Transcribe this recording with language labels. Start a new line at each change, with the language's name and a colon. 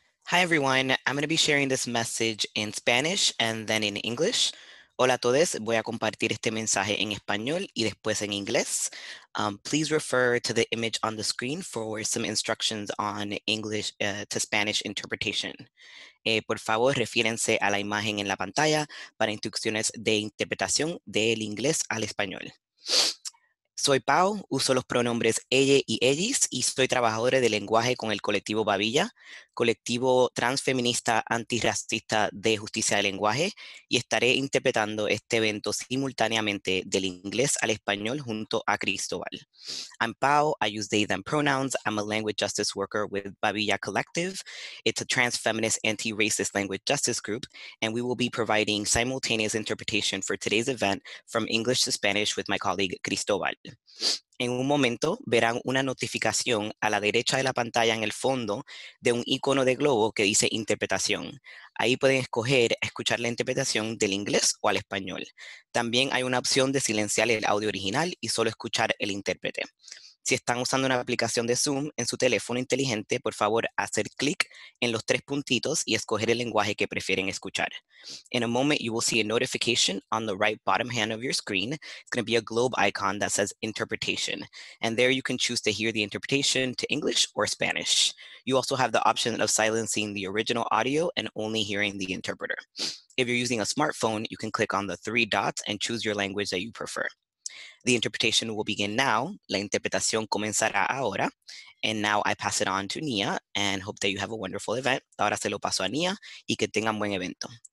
English: Hi everyone, I'm going to be sharing this message in Spanish and then in English.
Spanish: Hola a todos, voy a compartir este mensaje en español y después en inglés.
English: Please refer to the image on the screen for some instructions on English to Spanish interpretation.
Spanish: Por favor, refiérense a la imagen en la pantalla para instrucciones de interpretación del inglés al español. Soy Pau, uso los pronombres ella y ellis y soy trabajadora de lenguaje con el colectivo Babilla, colectivo transfeminista antirracista de justicia de lenguaje, y estaré interpretando este evento simultáneamente del inglés al español junto a Cristóbal.
English: I'm Pau, I use they, them pronouns, I'm a language justice worker with Babilla Collective. It's a transfeminist anti-racist language justice group, and we will be providing simultaneous interpretation for today's event from English to Spanish with my colleague Cristóbal.
Spanish: En un momento verán una notificación a la derecha de la pantalla en el fondo de un icono de globo que dice interpretación. Ahí pueden escoger escuchar la interpretación del inglés o al español. También hay una opción de silenciar el audio original y solo escuchar el intérprete. Si están usando una aplicación de Zoom en su teléfono inteligente, por favor, hacer clic en los tres puntitos y escoger el lenguaje que prefieren escuchar.
English: In a moment, you will see a notification on the right bottom hand of your screen. It's going to be a globe icon that says interpretation. And there you can choose to hear the interpretation to English or Spanish. You also have the option of silencing the original audio and only hearing the interpreter. If you're using a smartphone, you can click on the three dots and choose your language that you prefer. The interpretation will begin now.
Spanish: La interpretación comenzará ahora.
English: And now I pass it on to Nia and hope that you have a wonderful event.
Spanish: Ahora se lo paso a Nia y que tengan buen evento.